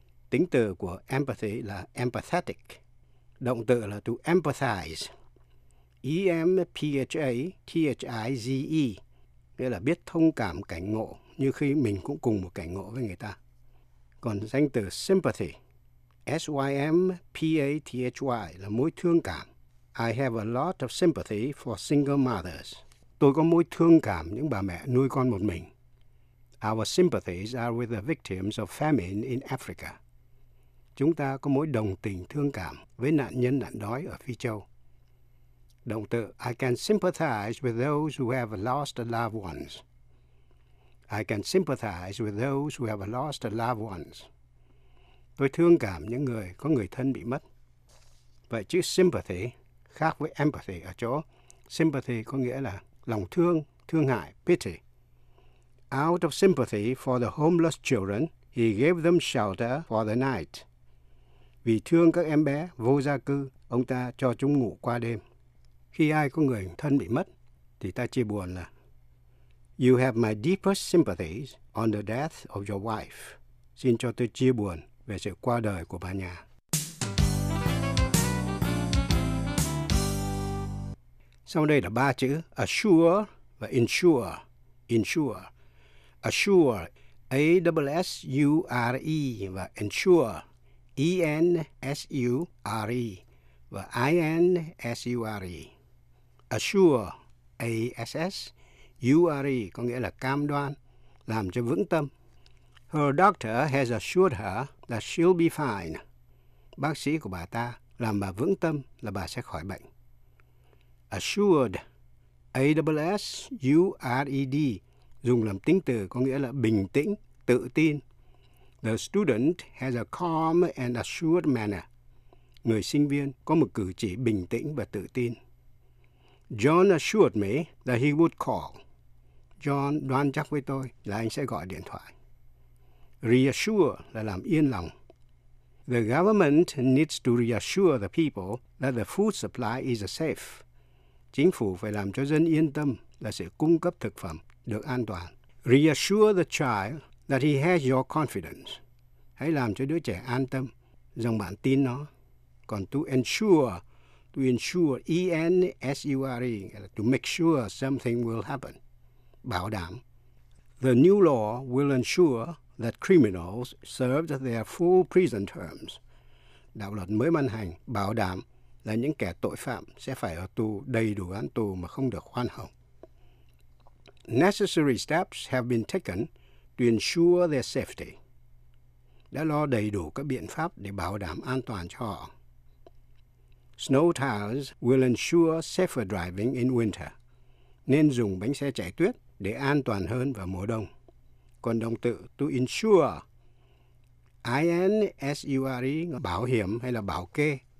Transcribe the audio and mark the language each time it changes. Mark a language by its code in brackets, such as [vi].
[vi] Tính từ của empathy là empathetic. Động từ là to empathize, E-M-P-H-A-T-H-I-Z-E, nghĩa là biết thông cảm cảnh ngộ như khi mình cũng cùng một cảnh ngộ với người ta. Còn danh từ sympathy, S-Y-M-P-A-T-H-Y, là mối thương cảm. [en] I have a lot of sympathy for single mothers. [vi] Tôi có mối thương cảm những bà mẹ nuôi con một mình. [en] Our sympathies are with the victims of famine in Africa. [vi] Chúng ta có mối đồng tình thương cảm với nạn nhân nạn đói ở Phi Châu. Động từ [en] I can sympathize with those who have lost loved ones. I can sympathize with those who have lost loved ones. [vi] Tôi thương cảm những người có người thân bị mất. Vậy chữ sympathy khác với empathy ở chỗ. Sympathy có nghĩa là lòng thương, thương hại, pity. [en] Out of sympathy for the homeless children, he gave them shelter for the night. [vi] Vì thương các em bé vô gia cư, ông ta cho chúng ngủ qua đêm. Khi ai có người thân bị mất, thì ta chia buồn là [en] You have my deepest sympathies on the death of your wife. [vi] Xin cho tôi chia buồn về sự qua đời của bà nhà. Sau đây là ba chữ assure và ensure. Ensure. Assure, A-S-S-U-R-E và ensure, E-N-S-U-R-E và I-N-S-U-R-E. Assure, A-S-S-U-R-E, có nghĩa là cam đoan, làm cho vững tâm. [en] Her doctor has assured her that she'll be fine. [vi] Bác sĩ của bà ta làm bà vững tâm là bà sẽ khỏi bệnh. Assured, A-S-S-U-R-E-D, dùng làm tính từ có nghĩa là bình tĩnh, tự tin. [en] The student has a calm and assured manner. [vi] Người sinh viên có một cử chỉ bình tĩnh và tự tin. [en] John assured me that he would call. [vi] John đoan chắc với tôi là anh sẽ gọi điện thoại. Reassure là làm yên lòng. [en] The government needs to reassure the people that the food supply is safe. [vi] Chính phủ phải làm cho dân yên tâm là sự cung cấp thực phẩm được an toàn. [en] Reassure the child that he has your confidence. [vi] Hãy làm cho đứa trẻ an tâm rằng bạn tin nó. [en] Còn to ensure, E-N-S-U-R-E, to make sure something will happen. [vi] Bảo đảm. [en] The new law will ensure that criminals served their full prison terms. [vi] Đạo luật mới ban hành bảo đảm là những kẻ tội phạm sẽ phải ở tù đầy đủ án tù mà không được khoan hồng. [en] Necessary steps have been taken to ensure their safety. [vi] Đã lo đầy đủ các biện pháp để bảo đảm an toàn cho họ. [en] Snow tires will ensure safer driving in winter. [vi] Nên dùng bánh xe chạy tuyết để an toàn hơn vào mùa đông. Còn động từ to insure, I-N-S-U-R-E, bảo hiểm hay là bảo kê.